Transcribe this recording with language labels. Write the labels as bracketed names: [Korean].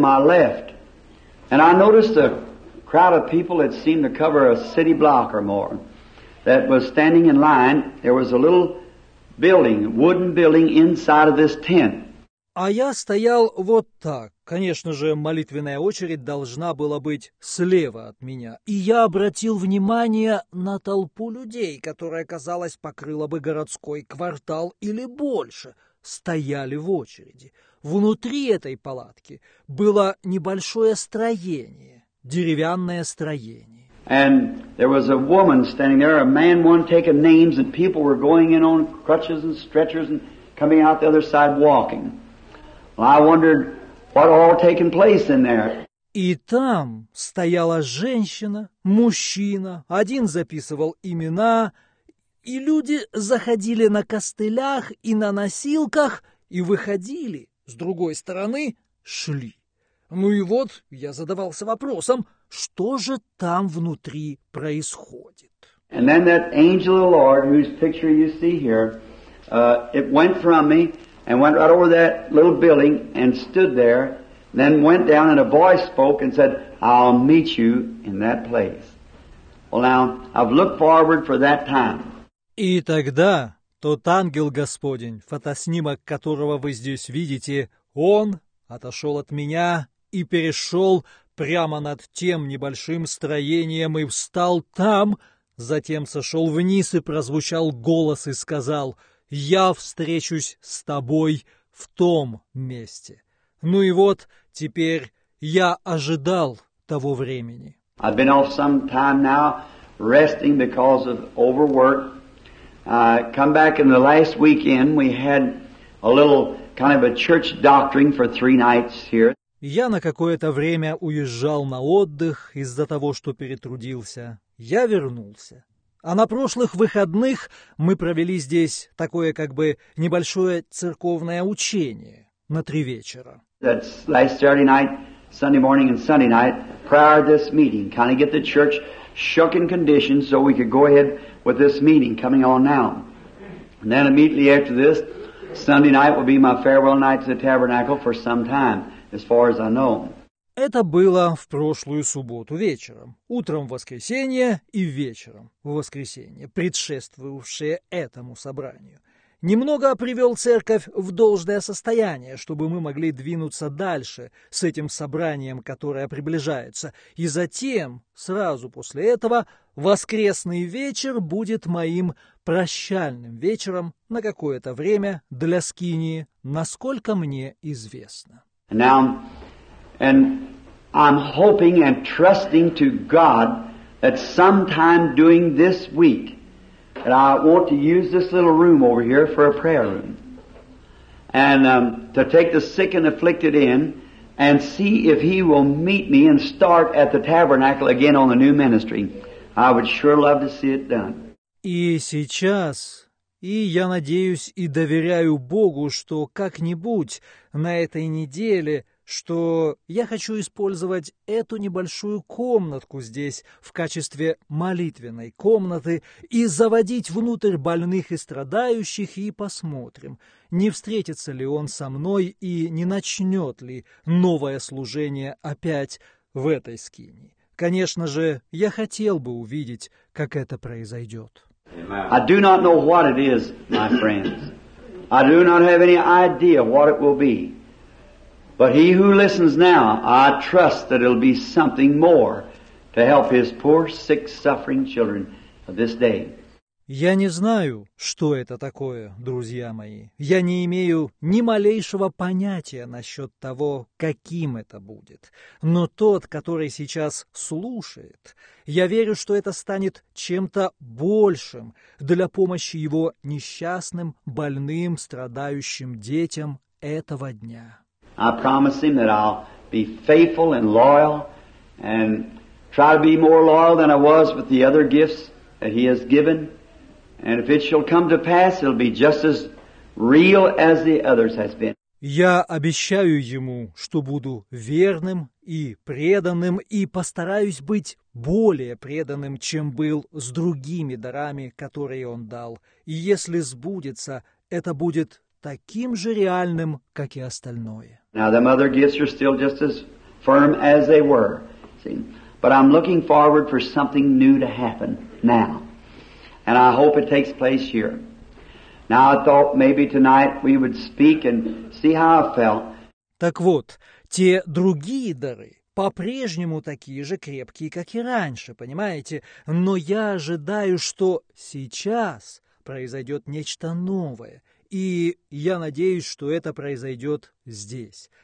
[English] And I noticed a crowd of people that seemed to cover a city block or more that was standing in line. There was a little building, wooden building, inside of this tent. [Russian] А я стоял вот так. Конечно же, молитвенная очередь должна была быть слева от меня. И я обратил внимание на толпу людей, которая, казалось, покрыла бы городской квартал или больше, стояли в очереди. Внутри этой палатки было небольшое строение, деревянное строение. [English] And there was a woman standing there, a man one taking names, and people were going in on crutches and stretchers and coming out the other side walking. Well, I wondered what all taken place in there. [Russian] И там стояла женщина, мужчина, один записывал имена, и люди заходили на костылях и на носилках и выходили. С другой стороны, шли. Ну и вот я задавался вопросом, что же там внутри происходит. [English] And then that angel of the Lord, whose picture you see here, it went from me and went right over that little building and stood there, then went down and a voice spoke and said, I'll meet you in that place. Well now, I've looked forward for that time. [Russian] И тогда тот ангел Господень, фотоснимок которого вы здесь видите, он отошел от меня и перешел прямо над тем небольшим строением и встал там, затем сошел вниз и прозвучал голос и сказал, «Я встречусь с тобой в том месте». Ну и вот теперь я ожидал того времени. [English] I've been off some time now, resting because of overwork. Come back in the last weekend, we had a little kind of a church doctoring for 3 nights here. [Russian] Я на какое-то время уезжал на отдых из-за того, что перетрудился. Я вернулся. А на прошлых выходных мы провели здесь такое как бы небольшое церковное учение на 3 вечера. [English] That's last Saturday night, Sunday morning and Sunday night, prior to this meeting, kind of get the church shook in condition so we could go ahead with this meeting coming on now. And then immediately after this, Sunday night will be my farewell night to the tabernacle for some time, as far as I know. [Russian] Это было в прошлую субботу вечером. Утром воскресенье и вечером воскресенье, предшествовавшее этому собранию. Немного привел церковь в должное состояние, чтобы мы могли двинуться дальше с этим собранием, которое приближается. И затем, сразу после этого, воскресный вечер будет моим прощальным вечером на какое-то время для скинии, насколько мне известно. [English] Now, and I'm hoping and trusting to God that sometime during this week, and I want to use this little room over here for a prayer room. And to take the sick and afflicted in and see if he will meet me and start at the tabernacle again on the new ministry. I would sure love to see it done. [Russian] И сейчас И я надеюсь и доверяю Богу, что как-нибудь на этой неделе, что я хочу использовать эту небольшую комнатку здесь в качестве молитвенной комнаты и заводить внутрь больных и страдающих, и посмотрим, не встретится ли он со мной и не начнет ли новое служение опять в этой скинии. Конечно же, я хотел бы увидеть, как это произойдет. [English] I do not know what it is, my friends. I do not have any idea what it will be. But he who listens now, I trust that it'll be something more to help his poor, sick, suffering children of this day. [Russian] Я не знаю, что это такое, друзья мои. Я не имею ни малейшего понятия насчет того, каким это будет. Но тот, который сейчас слушает, я верю, что это станет чем-то большим для помощи его несчастным, больным, страдающим детям этого дня. [English] I promise him that I'll be faithful and loyal and try to be more loyal than I was with the other gifts that he has given. And if it shall come to pass, it'll be just as real as the others has been. [Russian] Я обещаю ему, что буду верным и преданным, и постараюсь быть более преданным, чем был с другими дарами, которые он дал. И если сбудется, это будет таким же реальным, как и остальное. [English] Now, them other gifts are still just as firm as they were. See? But I'm looking forward for something new to happen now. And I hope it takes place here. Now I thought maybe tonight we would speak and see how I felt. [Russian] Так вот, те другие дары по-прежнему такие же крепкие, как и раньше, понимаете? Но я ожидаю, что сейчас произойдет нечто новое. И я надеюсь, что это произойдет здесь.